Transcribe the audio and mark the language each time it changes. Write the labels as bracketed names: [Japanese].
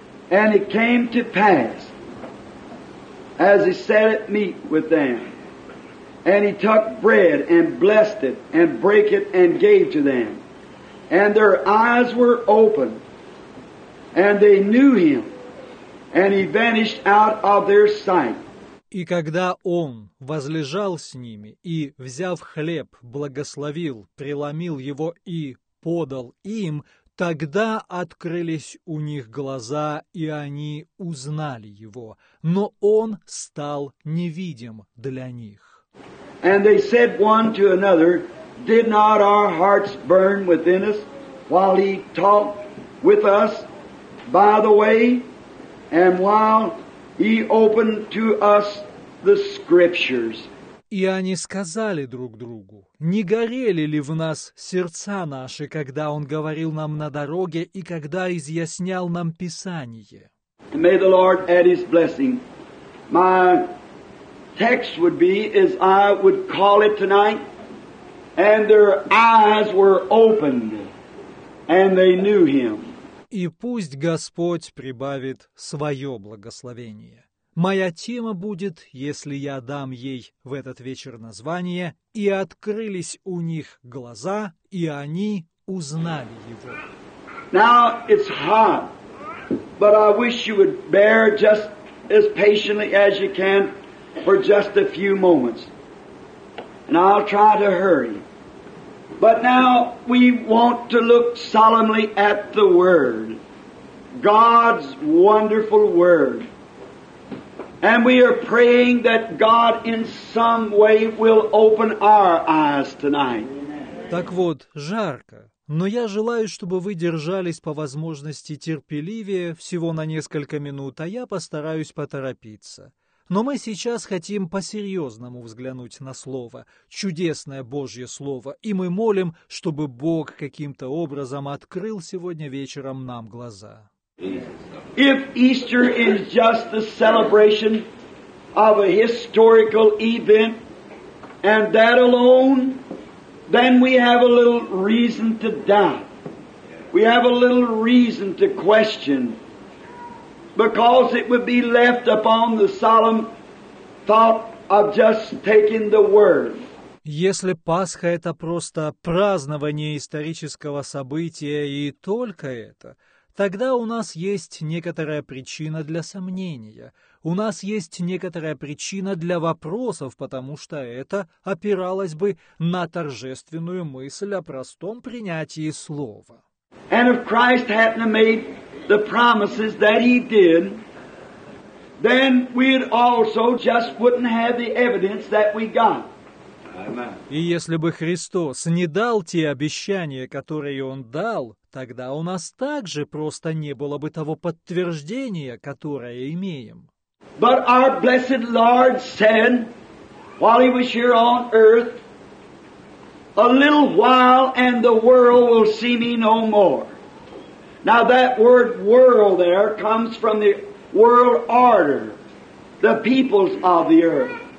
[English] And it came to pass, as he sat at meat with them, and he took bread and blessed it and brake it and gave to them, and their eyes were opened, and they knew him, and he vanished out of their sight. [Russian] И когда он возлежал с ними и, взяв хлеб, благословил, преломил его и подал им, тогда открылись у них глаза, и они узнали его, но он стал невидим для них. [English] And they said one to another, did not our hearts burn within us while he talked with us by the way, and while he opened to us the scriptures? [Russian] И они сказали друг другу, не горели ли в нас сердца наши, когда Он говорил нам на дороге и когда изъяснял нам Писание. [English] May the Lord add His blessing. My text would be, as I would call it tonight, and their eyes were opened, and they knew Him. [Russian] И пусть Господь прибавит свое благословение. Моя тема будет, если я дам ей в этот вечер название, и открылись у них глаза, и они узнали его. [English] Now it's hot, but I wish you would bear just as patiently as you can for just a few moments. And I'll try to hurry. But now we want to look solemnly at the Word, God's wonderful Word. And we are praying that God in some way will open our eyes tonight. [Russian] Так вот, жарко. Но я желаю, чтобы вы держались по возможности терпеливее всего на несколько минут, а я постараюсь поторопиться. Но мы сейчас хотим по-серьезному взглянуть на Слово, чудесное Божье Слово, и мы молим, чтобы Бог каким-то образом открыл сегодня вечером нам глаза. [English] If Easter is just the celebration of a historical event, and that alone, then we have a little reason to doubt. We have a little reason to question, because it would be left upon the solemn thought of just taking the word. [Russian] Если Пасха — это просто празднование исторического события и только это, тогда у нас есть некоторая причина для сомнения, у нас есть некоторая причина для вопросов, потому что это опиралось бы на торжественную мысль о простом принятии Слова. [English] And if Christ hadn't made the promises that He did, then we'd also just wouldn't have the evidence that we got. [Russian] И если бы Христос не дал те обещания, которые Он дал, тогда у нас также просто не было бы того подтверждения, которое имеем. [English] But our blessed Lord said, while He was here on earth, a little while and the world will see Me no more. Now that word world there comes from the world order, the peoples of the earth.